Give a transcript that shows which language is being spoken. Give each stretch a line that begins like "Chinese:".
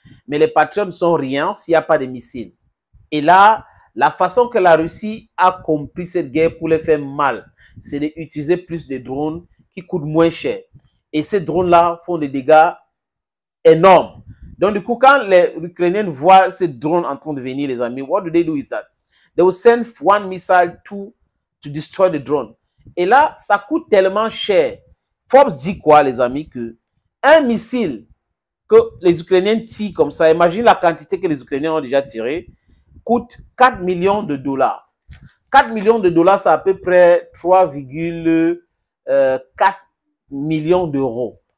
French: Mais les patriotes ne sont rien s'il n'y a pas de missiles. Et là, la façon que la Russie a compris cette guerre pour les faire mal, c'est d'utiliser plus de drones qui coûtent moins cher. Et ces drones-là font des dégâts énormes. Donc, du coup, quand les Ukrainiens voient ces drones en train de venir, les amis,
English: what do they do with that? They will send one missile to destroy the drone.
French: Et là, ça coûte tellement cher. Forbes dit quoi, les amis, que un missile que les Ukrainiens tirent comme ça, imagine la quantité que les Ukrainiens ont déjà tirée, coûte 4 millions de dollars. 4 millions de dollars, c'est à peu près 3,4 millions d'euros.